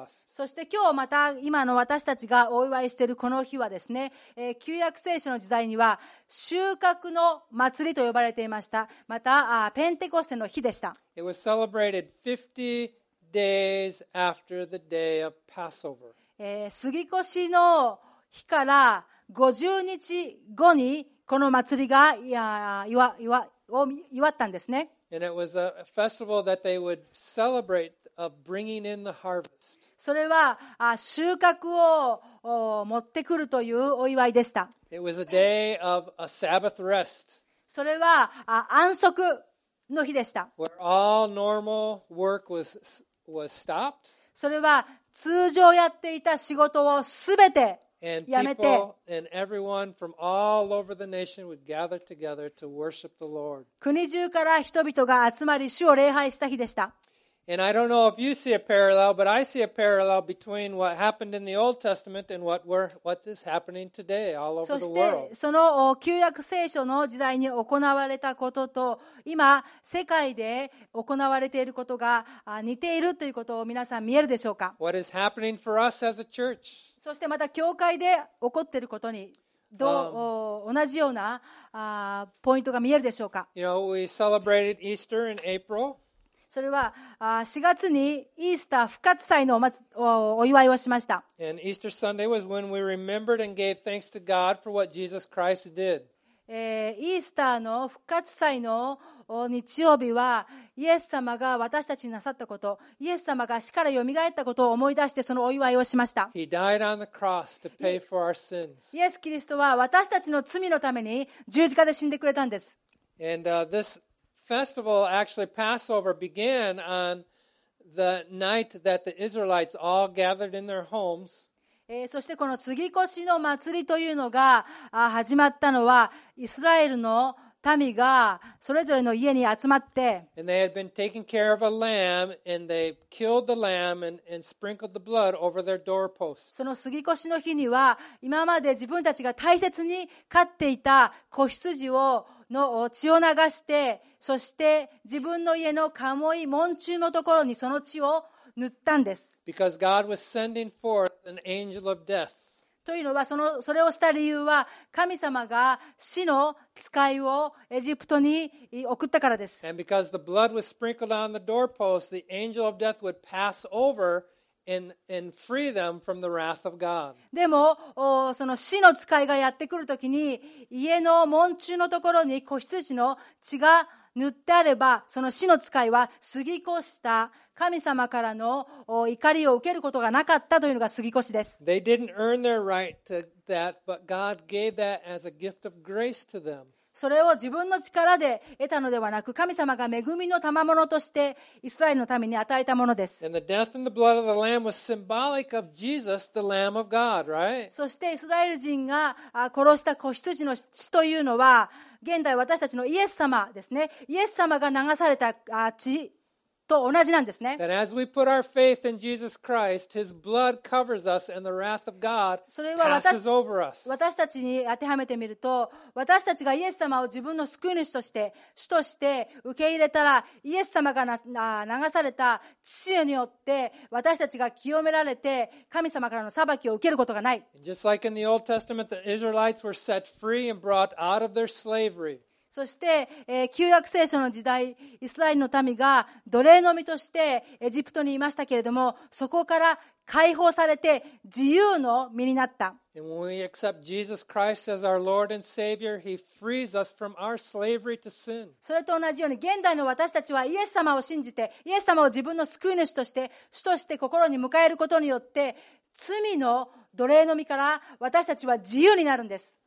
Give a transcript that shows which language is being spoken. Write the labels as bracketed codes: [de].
[ja] そして今日また今の私たちがお祝いしているこの日はですね、旧約聖書の時代には収穫の祭りと呼ばれていました。またペンテコステの日でした。 [en] It was celebrated 50 days after the day of Passover. [ja] 過ぎ越しの日から50日後にこの祭りが祝ったんですね。 [en] And it was a festival that they would celebrateOf bringing in the harvest. [ja] それは収穫を持ってくるというお祝いでした。 [en] It was a day of a Sabbath rest. [ja] それは安息の日でした。 [en] Where all normal work was stopped. [ja] それは通常やっていた仕事をすべてやめて、 [en] And people and everyone from all over the nation would gather together to worship the Lord. [ja] 国中から人々が集まり主を礼拝した日でした。 [en] And I don't know if you see a parallel, but I see a parallel between what happened in the Old Testament and what is happening today all over the world. [ja] そしてその旧約聖書の時代に行われたことと今世界で行われていることが似ているということを皆さん見えるでしょうか。 [en] What is happening for us as a church? [ja] そしてまた教会で起こっていることに同じようなポイントが見えるでしょうか。 [en] You know, we celebrated Easter in April. [ja] それは4月にイースター復活祭のお祝いをしました。イースターの復活祭の日曜日はイエス様が私たちになさったこと、イエス様が死からよみがえったことを思い出してそのお祝いをしました。イエス・キリストは私たちの罪のために十字架で死んでくれたんです。 [en] Festival actually Passover began on the night that the Israelites all gathered in their homes. [ja] そしてこの継ぎ越しの祭りというのが始まったのは、イスラエルの民がそれぞれの家に集まって、 [en] And they had been taking care of a lamb, and they killed the lamb and sprinkled the blood over their doorposts. [ja] その杉越の日には、今まで自分たちが大切に飼っていた子羊をの血を流して、そして自分の家のカモイ門柱のところにその血を塗ったんです。 [en] Because God was sending forth an angel of death. [ja] というのは、それをした理由は、神様が死の使いをエジプトに送ったからです。 [en] And because the blood was sprinkled on the doorpost, the angel of death would pass over and free them from the wrath of God. [ja] でも、その死の使いがやってくるときに、家の門柱のところに子羊の血が塗ってあれば、その死の使いは過ぎ越した。神様からの怒りを受けることがなかったというのが過ぎ越しです。 [en] They didn't earn their right to that, but God gave that as a gift of grace to them. [ja] それを自分の力で得たのではなく、神様が恵みの賜物としてイスラエルのために与えたものです。 [en] And the death and the blood of the Lamb was symbolic of Jesus, the Lamb of God, right? [ja] そしてイスラエル人が殺した子羊の血というのは、現代私たちのイエス様ですね。イエス様が流された血。と同じなんですね。 [en] That as we put our faith in Jesus Christ, His blood covers us, and the wrath of God passes over us. [ja] それは私たちに当てはめてみると、私たちがイエス様を自分の救い主として、主として受け入れたら、イエス様が流された血によって私たちが清められて神様からの裁きを受けることがない。 [en] Just like in the Old Testament, the Israelites were set free and brought out of their slavery. [ja] そして、旧約聖書の時代、イスラエルの民が奴隷の身としてエジプトにいましたけれども、そこから解放されて自由の身になった。 [en] And when we accept Jesus Christ as our Lord and Savior, He frees us from our slavery to sin. [ja] それと同じように、現代の私たちはイエス様を信じて、イエス様を自分の救い主として、主として心に迎えることによって、罪の奴隷の身から私たちは自由になるんです。